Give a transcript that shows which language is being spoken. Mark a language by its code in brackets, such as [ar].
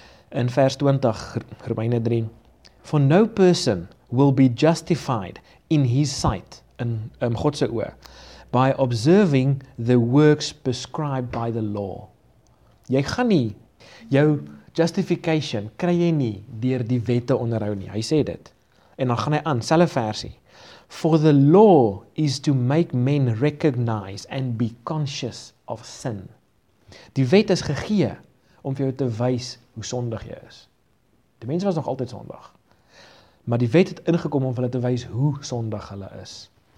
[en] In vers 20, Romeine 3. For no person will be justified in his sight, [af] in God se oë, [en] by observing the works prescribed by the law. [af] Jy gaan nie jou justification kry jy nie deur die wette onderhou nie. Hy sê dit. En dan gaan hy aan, selfe versie. [en] For the law is to make men recognize and be conscious of sin. [af] Die wet is gegee om vir jou te wys hoe sondig jy is. Die mens was nog altyd sondig. Maar die wet het ingekom om hulle te wys hoe sondig hulle is.